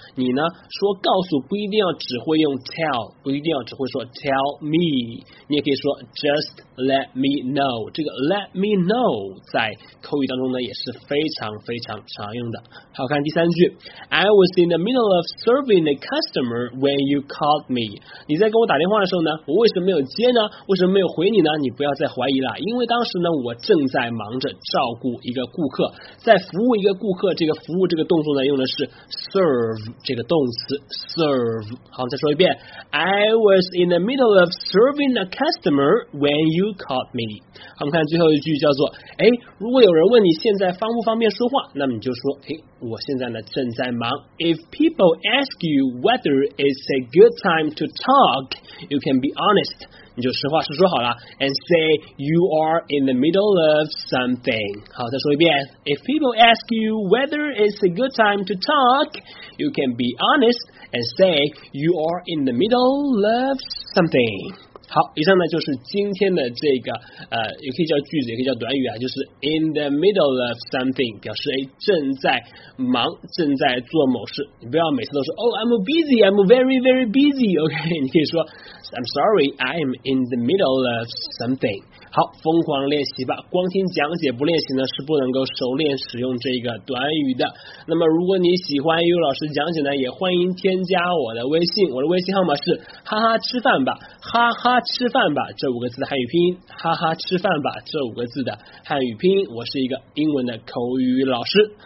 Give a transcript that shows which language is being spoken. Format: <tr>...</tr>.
<zh>你呢，说告诉不一定要只会用 tell, 不一定要只会说</zh> <en>tell me,</en> <zh>你也可以说</zh> <en>just let me know.</en> <zh>这个</zh> <en>let me know</en> <zh>在口语当中呢，也是非常非常常用的。好，看第三句。</zh> <en>I was in the middle of serving a customer when you called me.</en> <zh>你在跟我打电话的时候呢，我为什么没有接呢？为什么没有回你呢？你不要再怀疑了，因为当时呢，我正在忙着照顾一个顾客，在服务一个顾客。这个服务这个动作呢，用的是 serve 这个动词 serve。好，再说一遍。</zh> <en>I was in the middle of serving a customer when you called me。</en> <zh>我们看最后一句叫做，如果有人问你现在方不方便说话，那么你就说，我现在呢正在忙。</zh> <en>If people ask you whether it's a good time to talk, you can be honest.</en> <zh>你就实话实说好了 ，</zh> <en>and say you are in the middle of something。</en> <zh>好，再说一遍。</zh> <en>If people ask you whether it's a good time to talk, you can be honest and say you are in the middle of something。</en> <zh>好，以上呢就是今天的这个也可以叫句子，也可以叫短语啊，就是</zh> <en>in the middle of something，</en> <zh>表示正在忙，正在做某事。你不要每次都说</zh> <en>I'm busy, I'm very very busy。</en> <zh>OK， 你可以说。</zh> <en>I'm sorry, I'm in the middle of something.</en> <zh>好，疯狂练习吧，光听讲解不练习呢，是不能够熟练使用这个短语的。那么如果你喜欢悠悠老师讲解呢，也欢迎添加我的微信，我的微信号码是哈哈吃饭吧，哈哈吃饭吧这五个字的汉语拼音，哈哈吃饭吧这五个字的汉语拼音。我是一个英文的口语老师。</zh>